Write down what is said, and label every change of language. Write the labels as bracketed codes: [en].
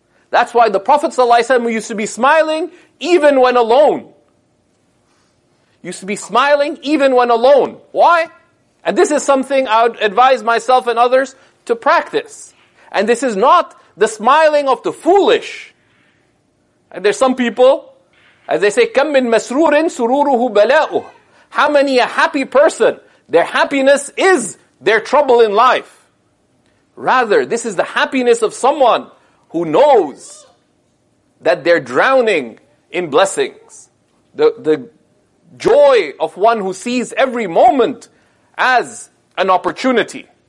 [en] That's why the Prophet ﷺ used to be smiling even when alone. Used to be smiling even when alone. Why? And this is something I would advise myself and others to practice. And this is not the smiling of the foolish. And there's some people, As they say, [ar] كَمْ مِنْ مَسْرُورٍ سُرُورُهُ بَلَاؤُهُ. [en] How many a happy person, their happiness is their trouble in life. Rather, this is the happiness of someone who knows that they're drowning in blessings. The joy of one who sees every moment as an opportunity.